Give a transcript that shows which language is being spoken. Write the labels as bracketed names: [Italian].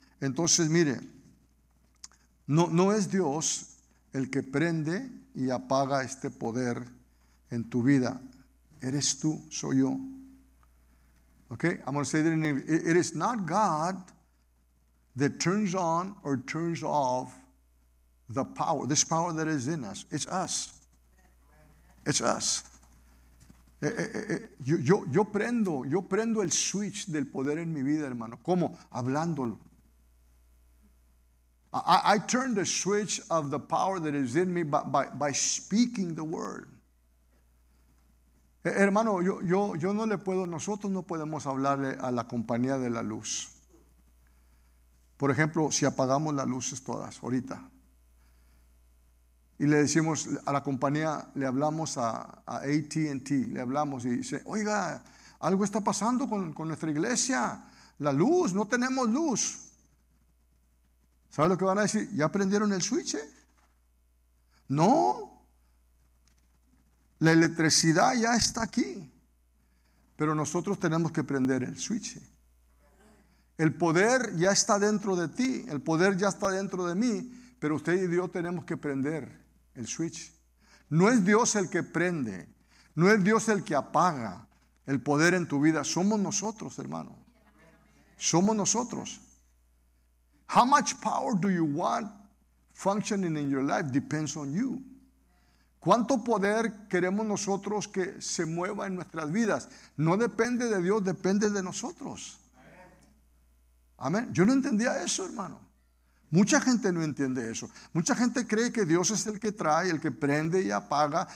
[Spanish] Entonces, mire, no es Dios el que prende y apaga este poder en tu vida. Eres tú, soy yo. [English] Okay, I'm going to say that in English. It is not God that turns on or turns off the power, this power that is in us. It's us. It's us. [Spanish] Yo prendo el switch del poder en mi vida, hermano. ¿Cómo? Hablándolo. [English] I turn the switch of the power that is in me by speaking the word. [Spanish] Hermano, yo no le puedo, nosotros no podemos hablarle a la compañía de la luz. Por ejemplo, si apagamos las luces todas ahorita y le decimos a la compañía, le hablamos a AT&T, le hablamos y dice, oiga, algo está pasando con nuestra iglesia, la luz, no tenemos luz. ¿Sabes lo que van a decir? ¿Ya prendieron el switch? No. La electricidad ya está aquí. Pero nosotros tenemos que prender el switch. El poder ya está dentro de ti, el poder ya está dentro de mí, pero usted y yo tenemos que prender el switch. No es Dios el que prende, no es Dios el que apaga el poder en tu vida. Somos nosotros, hermano. Somos nosotros. [English] How much power do you want functioning in your life depends on you. [Spanish] ¿Cuánto poder queremos nosotros que se mueva en nuestras vidas? No depende de Dios, depende de nosotros. Amén. Yo no entendía eso, hermano. Mucha gente no entiende eso. Mucha gente cree que Dios es el que trae, el que prende y apaga.